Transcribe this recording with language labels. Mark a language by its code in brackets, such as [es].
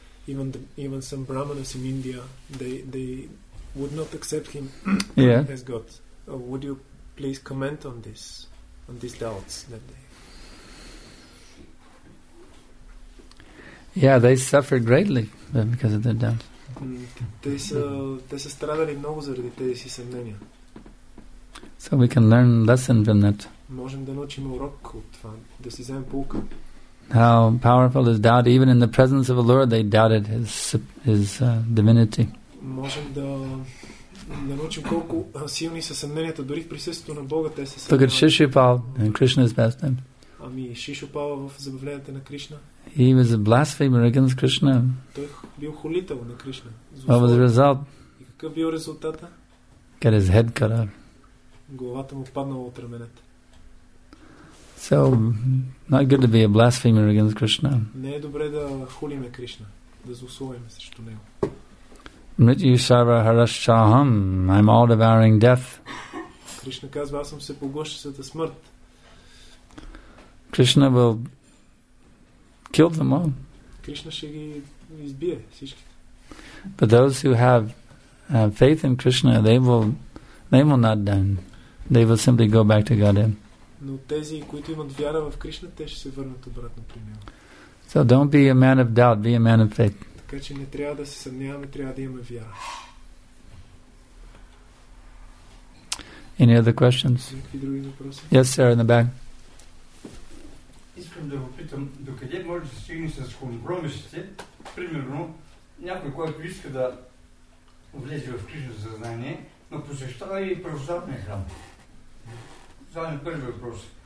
[en] Even some Brahmanas in India, they would not accept him as God. Would you please comment on this, on these doubts that they? Yeah, they suffered greatly because of their doubts. [bg] Те са страдали много заради тези си съмнения. [en] So we can learn lesson from that. [bg] Можем да научим урок от това, да си вземем поука. [en] How powerful is doubt? Even in the presence of the Lord, they doubted his divinity. [bg] Можем да научим колко силни са съмненията дори в присъствието на Бога, те се. [en] Look at Shishupal in Krishna's pastime. [bg] Ами Шишупала в забавленията на Кришна. [en] He was a blasphemer against Krishna. [bg] Той бил хулител на Кришна. [en] What was the result? [bg] И какъв бил резултата? [en] Got his head cut off. [bg] Главата му паднала от раменете. [en] So, not good to be a blasphemer against Krishna. [bg] Не е добре да хулиме Кришна, да злословиме срещу него. [sa] Mrityu sarva harashaham, [en] I'm all devouring death. [bg] Кришна казва, аз съм се поглъщащата смърт. [en] Krishna will kill them all. [bg] Кришна ще ги избие всичките. [en] But those who have faith in Krishna, they will not die. They will simply go back to Godhead. [bg] Но тези, които имат вяра в Кришна, те ще се върнат обратно при него. [en] So don't be a man of doubt, be a man of faith. [bg] Така че не трябва да се съмняваме, трябва да имаме вяра. [en] Any other questions? Yes, sir, in the back. [bg] Искам да попитам, докъде може да се стигне с компромисите, примерно, някой, който иска да влезе в Кришна съзнание, но посещава и православния храм. Това е първият въпрос.